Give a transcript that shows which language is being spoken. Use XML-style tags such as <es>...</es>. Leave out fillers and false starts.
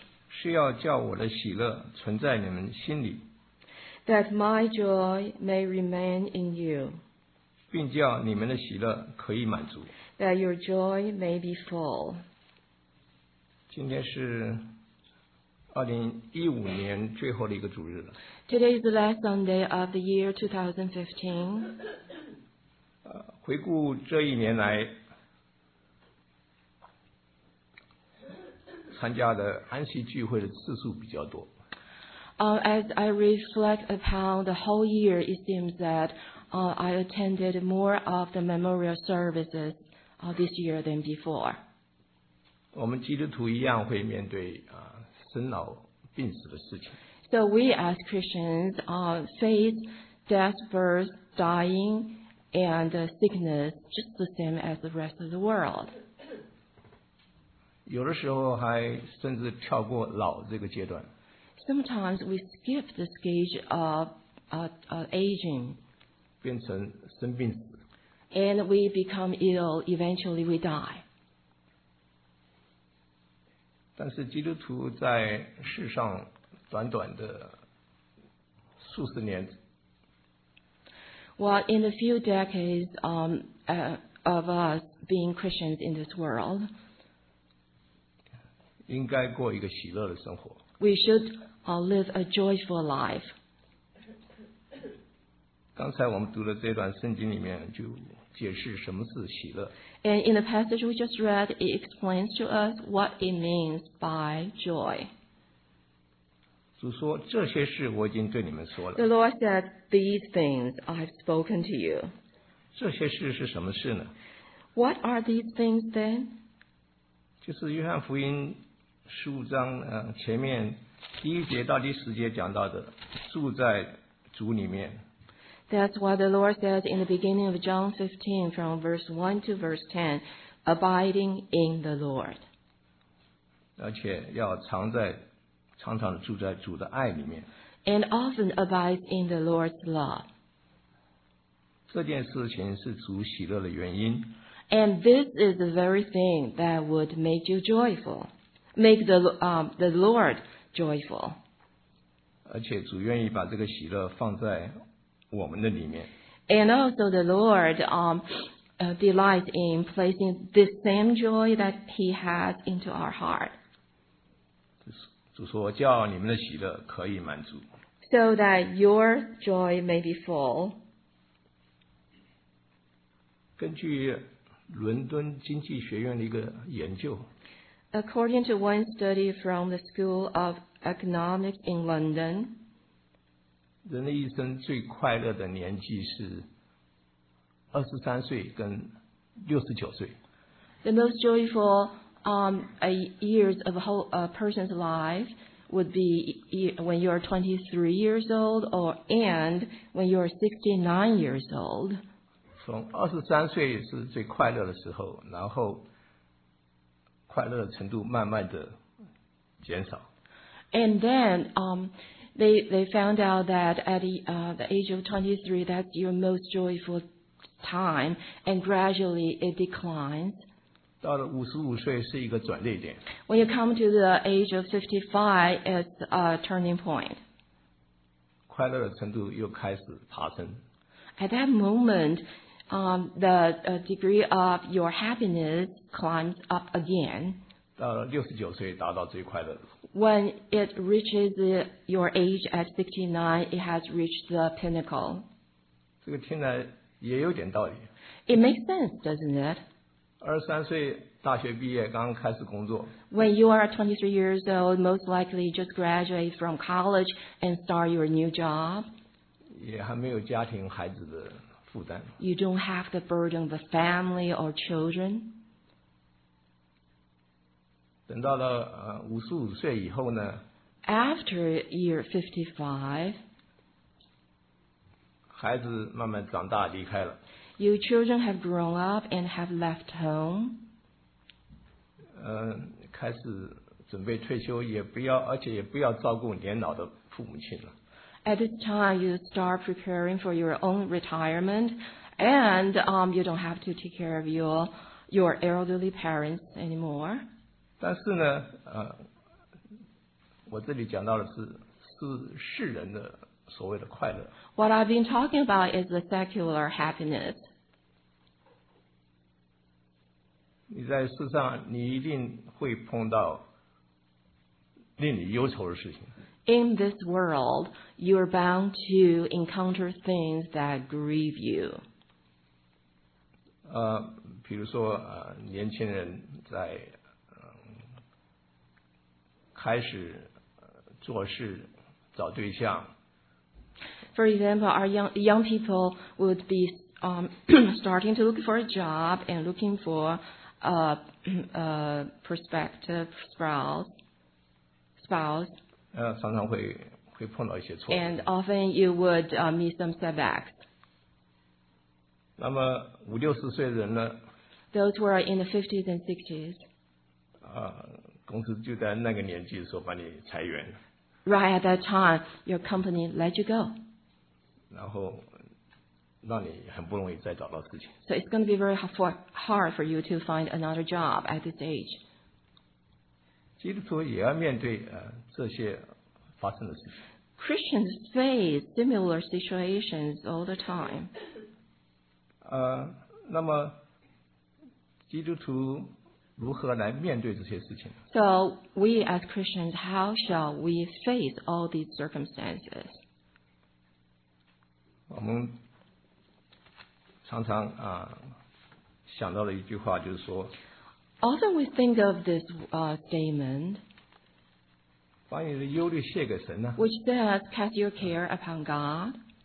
<zh>是要叫我的喜乐存在你们心里。</zh> <en>That my joy may remain in you.</en> <zh>并叫你们的喜乐可以满足。</zh> <en>That your joy may be full.</en> <zh>今天是2015年最后的一个主日了。</zh> <en>Today is the last Sunday of the year 2015.</en> <zh>回顾这一年来参加的安息聚会的次数比较多。</zh> <en>As I reflect upon the whole year, it seems that I attended more of the memorial services this year than before.</en> <zh>我们基督徒一样会面对生老病死的事情。</zh> <en>So we as Christians face death, birth, dying, and sickness just the same as the rest of the world.</en> <zh>有的时候还甚至跳过老这个阶段。</zh> <en>Sometimes we skip the stage of aging.</en> <zh>变成生病死。</zh> <en>And we become ill, eventually we die.</en> <zh>但是基督徒在世上短短的数十年。</zh> <en>Well, in a few decades of us being Christians in this world,</en> <zh>应该过一个喜乐的生活。</zh> <en>We should live a joyful life.</en> <zh>刚才我们读的这段圣经里面就解释什么是喜乐。</zh> <en>And in the passage we just read, it explains to us what it means by joy.</en> <zh>主说这些事我已经对你们说了。</zh> <en>The Lord said, these things I have spoken to you.</en> <zh>这些事是什么事呢？</zh> <en>What are these things then?</en> <zh>就是约翰福音十五章前面第一节到第十节讲到的住在主里面。</zh> <en>That's what the Lord said in the beginning of John 15 from verse 1 to verse 10, abiding in the Lord.</en> <zh>而且要常常住在主的爱里面。</zh> <en>And often abide in the Lord's love.</en> <zh>这件事情是主喜乐的原因。</zh> <en>And this is the very thing that would make you joyful. Make the Lord joyful.</en> <zh>而且主愿意把这个喜乐放在我们的里面。</zh> <en>And also the Lord delights in placing this same joy that he has into our heart.</en> <zh>主说叫你们的喜乐可以满足。</zh> <en>So that your joy may be full.</en> <zh>根据伦敦经济学院的一个研究。</zh> <en>According to one study from the School of Economics in London,</en> <zh>人的一生最快乐的年纪是23岁跟69岁。</zh> <en>The most joyful years of a whole person's life would be when you are 23 years old and when you are 69 years old.</en> <zh>从23岁是最快乐的时候，然后快乐的程度慢慢的减少。</zh> <en>And then they found out that at the age of 23, that's your most joyful time, and gradually it declines.</en> <zh>到了55岁是一个转捩点。</zh> <en>When you come to the age of 55, it's a turning point.</en> <zh>快乐的程度又开始爬升。</zh> <en>At that moment, the degree of your happiness climbs up again.</en> <zh>到了69岁达到最快乐的。</zh> <en>When it reaches your age at 69, it has reached the pinnacle.</en> <zh>这个听来也有点道理。</zh> <en>It makes sense, doesn't it?</en> <zh>23岁大学毕业刚开始工作。</zh> <en>When you are 23 years old, most likely just graduate from college and start your new job.</en> <zh>也还没有家庭孩子的负担。</zh> <en>You don't have the burden of the family or children.</en> <zh>等到了55岁以后呢</zh> <en>？After year 55,</en> <zh>孩子慢慢长大离开了。</zh> <en>Your children have grown up and have left home.</en> <zh>开始准备退休，而且也不要照顾年老的父母亲了。</zh> <en>At this time, you start preparing for your own retirement, and you don't have to take care of your elderly parents anymore.</en> <zh>但是呢，我这里讲到的是世人的所谓的快乐。</zh> <en>What I've been talking about is the secular happiness.</en> <zh>你在世上，你一定会碰到令你忧愁的事情。</zh> <en>In this world, you are bound to encounter things that grieve you.</en> <zh>比如说，年轻人在开始做事、找对象。</zh> <en>For example, our young people would be starting to look for a job and looking for a prospective spouse.</en> <zh>常常会碰到一些挫折。</zh> <en>And often you would meet some setbacks.</en> <zh>那么五六十岁的人呢？</zh> <en>Those who are in the 50s and 60s.</en> <zh>公司就在那个年纪的时候把你裁员。</zh> <en>Right at that time, your company let you go.</en> <zh>然后让你很不容易再找到事情。</zh> <en>So it's going to be very hard for you to find another job at this age.</en> <zh>基督徒也要面对这些发生的事情。</zh> <en>Christians face similar situations all the time.</en> <zh>那么基督徒如何来面对这些事情？</zh> <en>So we as Christians, how shall we face all these circumstances?</en> <zh>我们常常想到的一句话就是说，</zh> <en>Often we think of this statement,</en> <zh>把你的忧虑卸给神呢，</zh> <en>which says, cast your care upon God.</en>